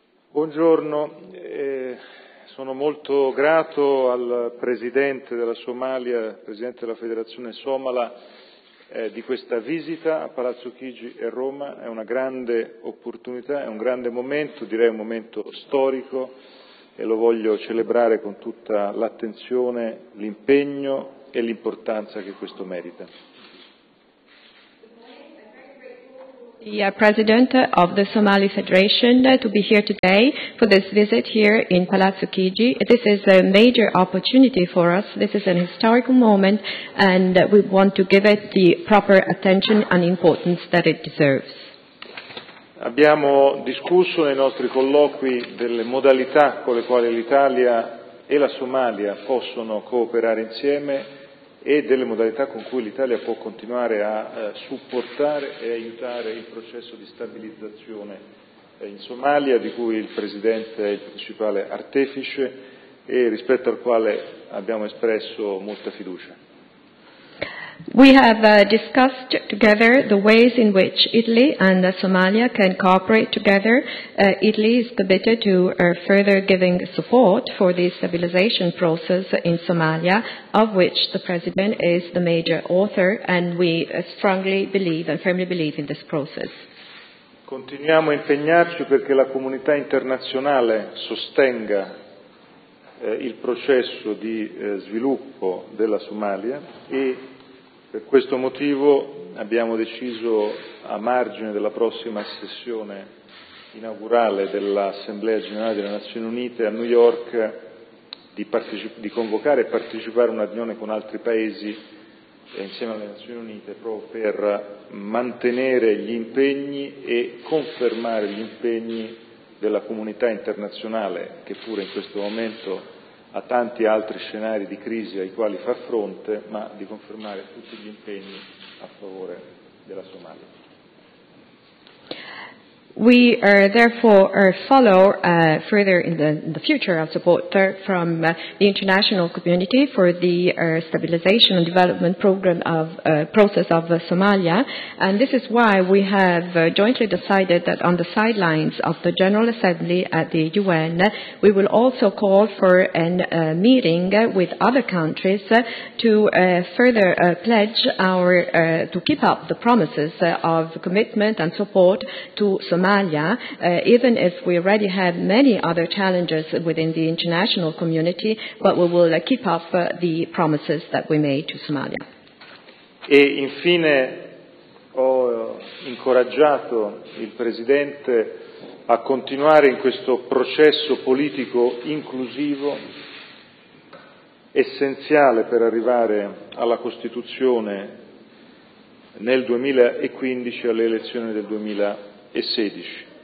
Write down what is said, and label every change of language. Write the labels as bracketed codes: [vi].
[it] Buongiorno, sono molto grato al Presidente della Somalia, Presidente della Federazione Somala, di questa visita a Palazzo Chigi e Roma. È una grande opportunità, è un grande momento, direi un momento storico, e lo voglio celebrare con tutta l'attenzione, l'impegno e l'importanza che questo merita. [en] The President of the Somali Federation to be here today for this visit here in Palazzo Chigi. This is a major opportunity for us. This is an historical moment and we want to give it the proper attention and importance that it deserves. [it] Abbiamo discusso nei nostri colloqui delle modalità con le quali l'Italia e la Somalia possono cooperare insieme e delle modalità con cui l'Italia può continuare a supportare e aiutare il processo di stabilizzazione in Somalia, di cui il Presidente è il principale artefice e rispetto al quale abbiamo espresso molta fiducia. [en] We have discussed together the ways in which Italy and Somalia can cooperate together. Italy is committed to further giving support for the stabilization process in Somalia, of which the President is the major author, and we strongly believe and firmly believe in this process. [it] Continuiamo a impegnarci perché la comunità internazionale sostenga il processo di sviluppo della Somalia e per questo motivo abbiamo deciso, a margine della prossima sessione inaugurale dell'Assemblea Generale delle Nazioni Unite a New York, di convocare e partecipare a una riunione con altri paesi insieme alle Nazioni Unite proprio per mantenere gli impegni e confermare gli impegni della comunità internazionale, che pure in questo momento a tanti altri scenari di crisi ai quali far fronte, ma di confermare tutti gli impegni a favore della Somalia. [en] We therefore follow further in the future our support from the international community for the stabilization and development program of process of Somalia, and this is why we have jointly decided that on the sidelines of the General Assembly at the UN we will also call for a meeting with other countries to further pledge our to keep up the promises of commitment and support to Somalia. Even if we already have many other challenges within the international community, but we will keep up the promises that we made to Somalia. [it] E infine ho incoraggiato il Presidente a continuare in questo processo politico inclusivo essenziale per arrivare alla Costituzione nel 2015 alle elezioni del 2016.